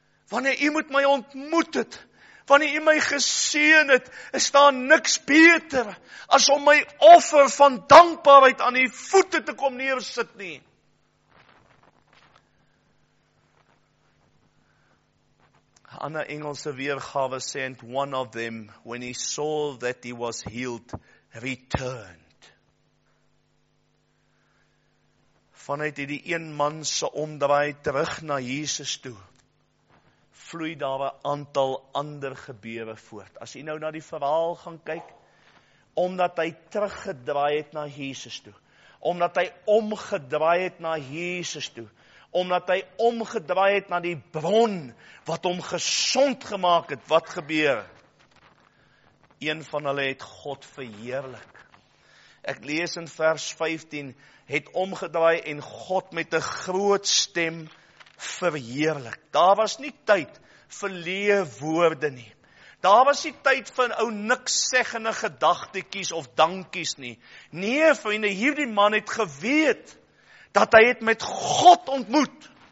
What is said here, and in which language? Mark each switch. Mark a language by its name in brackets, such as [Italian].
[Afrikaans] Wanneer U moet my ontmoet het, wanneer U my geseën het, is daar niks beter as om my offer van dankbaarheid aan U voete te kom neersit nie. Ander Engelse weergawe sê, [English] and one of them, when he saw that he was healed, returned. [Afrikaans] Vanuit die een man se omdraai terug na Jesus toe, vloei daar een aantal ander gebeure voort. As jy nou na die verhaal gaan kyk, omdat hy teruggedraai het na Jesus toe, omdat hy omgedraai het na Jesus toe, omdat hy omgedraai het na die bron, wat hom gesond gemaak het, wat gebeur? Een van hulle het God verheerlik. Ek lees in vers 15, het omgedraai en God met 'n groot stem verheerlik. Daar was nie tyd vir leë woorde nie. Daar was nie tyd vir ou niks seggende gedagtetjies of dankies nie. Nee, vriende, hierdie man het geweet, dat hy het met God ontmoet.